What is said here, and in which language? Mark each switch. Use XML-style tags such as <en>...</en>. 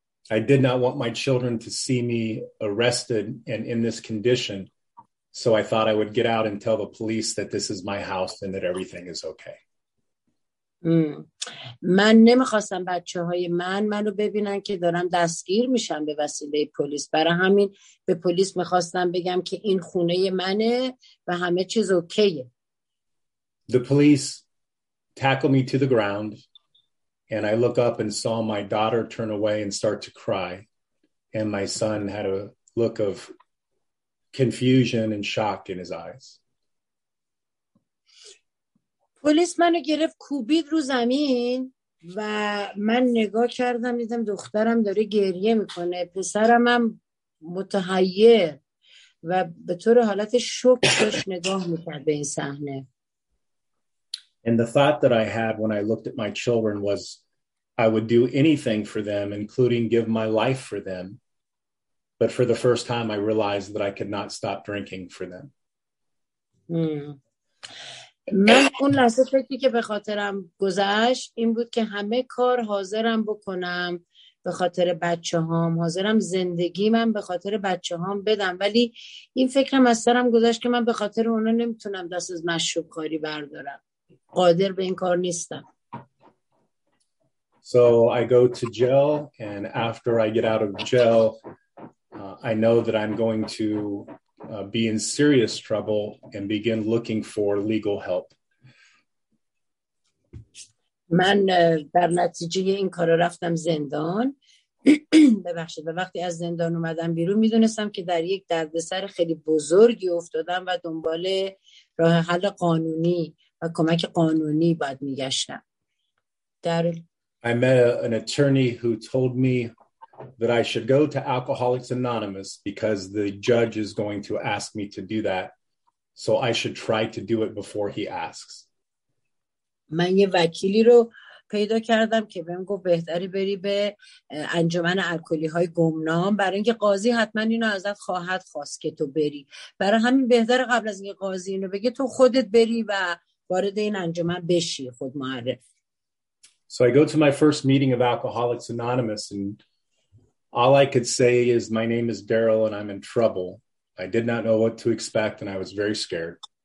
<en>I did not want my children to see me arrested and in this condition, so I thought I would get out and tell the police that this is my house and that everything is okay.</en> <fa>من نمیخواستم بچه های من منو ببینن که دارم دستگیر میشم به وسیله پلیس برای همین به پلیس میخواستم بگم که این خونه منه و همه چیز اوکیه.</fa> <en>The police tackle me to the ground and I look up and saw my daughter turn away and start to cry and my son had a look of confusion and shock in his eyes.</en> <fa>پلیس منو گرفت کوبید رو زمین و من نگاه کردم دیدم دخترم داره گریه میکنه پسرم هم متحیر و به طور حالت شوک داشت نگاه میکرد به این صحنه.</fa> <en>And the thought that I had when I looked at my children was I would do anything for them including give my life for them but for the first time I realized that I could not stop drinking for them.</en> <fa>من اون لحظه فکری که به خاطرم گذشت این بود که همه کار حاضرم بکنم به خاطر بچه هام حاضرم زندگی من به خاطر بچه هام بدم ولی این فکرم از سرم گذشت که من به خاطر اونا نمیتونم دست از مشروب خوری بردارم قادر به این کار نیستم.</fa> <en>So I go to jail and after I get out of jail I know that I'm going to be in serious trouble and begin looking for legal help.</en> <fa>من در نتیجه این کار رفتم زندان. ببخشید. وقتی از زندان اومدم بیرون میدونستم که در یک دردسر خیلی بزرگی افتادم و دنبال راه حل قانونی و کمک قانونی باید میگشتم.</fa> <en>I met an attorney who told me that I should go to Alcoholics Anonymous because the judge is going to ask me to do that. So I should try to do it before he asks.</en> <fa>من یه وکیلی رو پیدا کردم که بهم گفت بهتری بری به انجمن الکلی‌های گمنام برای اینکه قاضی حتما اینو ازت خواهد خواست که تو بری. برای همین بهتر قبل از اینکه قاضی اینو بگه تو خودت بری و وارد این انجمن بشی خود معرف.</fa> <en>So I go to my first meeting of Alcoholics Anonymous and all I could say is my name is Daryl and I'm in trouble. I did not know what to expect and I was very scared.</en>